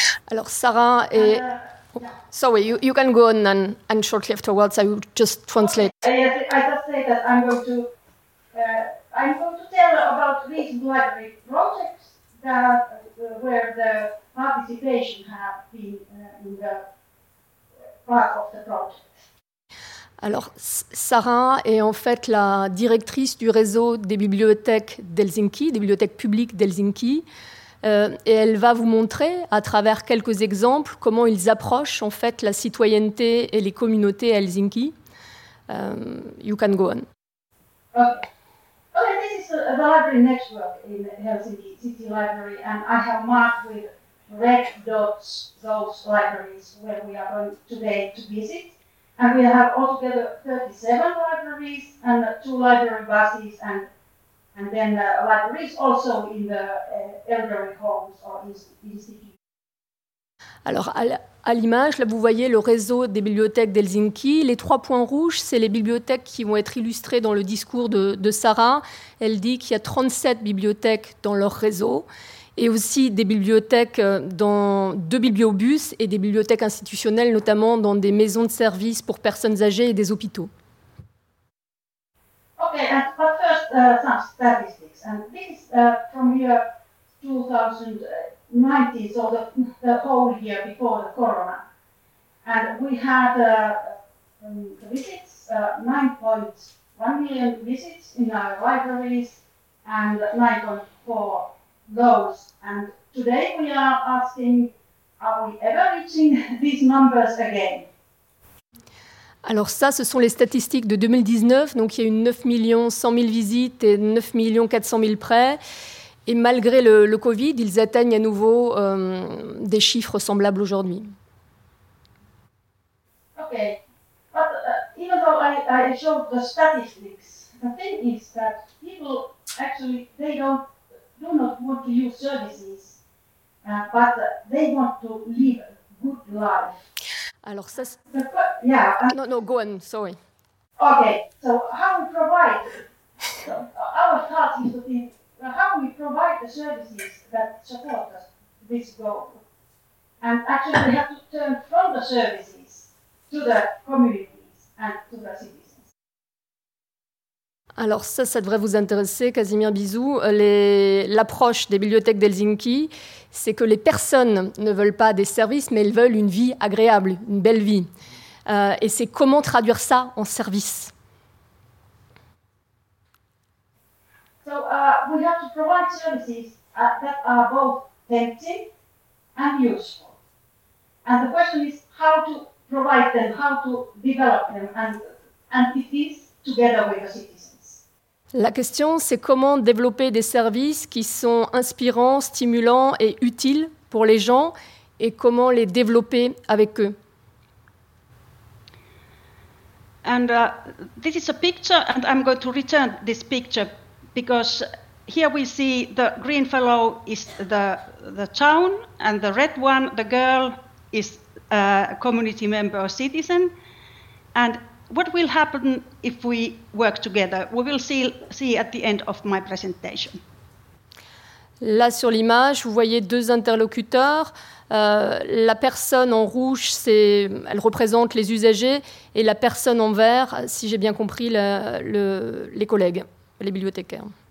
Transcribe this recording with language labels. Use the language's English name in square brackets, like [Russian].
[English] Alors, Sarah, sorry, you can go on and shortly afterwards I will just translate. Okay. Yes, I just say that I'm going to tell about recent library projects that where the participation have been in the part of the project. [French] Alors, Sara est en fait la directrice du réseau des bibliothèques d'Helsinki, des bibliothèques publiques d'Helsinki. Et elle va vous montrer, à travers quelques exemples, comment ils approchent en fait la citoyenneté et les communautés à Helsinki. [English] You can go on. Okay. Okay, this is the library network in Helsinki, City Library, and I have marked with red dots those libraries where we are going today to visit. And we have altogether 37 libraries and two library buses and then libraries also in the elderly homes or institutions. [French] Alors, à l'image, là, vous voyez le réseau des bibliothèques d'Helsinki. Les trois points rouges, c'est les bibliothèques qui vont être illustrées dans le discours de Sara. Elle dit qu'il y a 37 bibliothèques dans leur réseau et aussi des bibliothèques dans deux bibliobus et des bibliothèques institutionnelles, notamment dans des maisons de services pour personnes âgées et des hôpitaux. [English] OK, but first, some statistics. And this is from year 2019, so the whole year before the corona. And we had visits, 9.1 million visits in our libraries and 9.4 those. And today we are asking, are we ever reaching these numbers again? [French] Alors ça, ce sont les statistiques de 2019. Donc il y a eu 9 100 000 visites et 9 400 000 prêts. Et malgré le Covid, ils atteignent à nouveau des chiffres semblables aujourd'hui. [English] OK. But even though I showed the statistics, the thing is that people actually, they do not want to use services, but they want to live a good life. [French] Alors ça, [English] yeah. No, go on, sorry. OK. So how we provide? Our thought is to think, how we provide the services that support us, this goal. And actually we have to turn from the services to the communities and to the cities. [French] Alors ça devrait vous intéresser, Casimir Bizou. L'approche des bibliothèques d'Helsinki, c'est que les personnes ne veulent pas des services, mais elles veulent une vie agréable, une belle vie. Et c'est comment traduire ça en service. [English] So, we have to provide services that are both tempting and useful. And the question is how to provide them, how to develop them, and it is together with the cities. [French] La question, c'est comment développer des services qui sont inspirants, stimulants et utiles pour les gens et comment les développer avec eux. [English] And this is a picture and I'm going to return this picture because Here we see the green fellow is the town, and the red one, the girl, is a community member or citizen. And what will happen if we work together? We will see at the end of my presentation. [French] Là, sur l'image, vous voyez deux interlocuteurs. La personne en rouge, elle représente les usagers, et la personne en vert, si j'ai bien compris, les collègues, les bibliothécaires.